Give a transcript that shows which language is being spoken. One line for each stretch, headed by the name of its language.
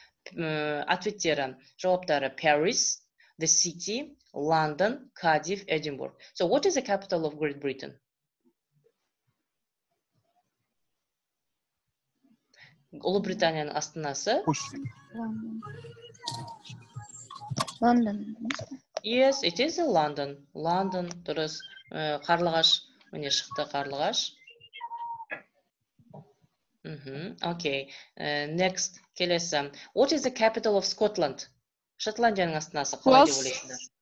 Kazakh: ответтері, жауаптары
English: Paris, the city, London, Cardiff, Edinburgh. So, what is the capital of Great Britain?
Kazakh: Ұлыбританияның астанасы? Лондон.
English: Yes, it is in London.
Kazakh: London, дұрыс. Қарлығаш, мене шықты қарлығаш.
English: Okay, next,
Kazakh: келесі.
English: What is the capital of Scotland?
Kazakh: Шотландияның астанасы, қалай деп ойлайсыңдар?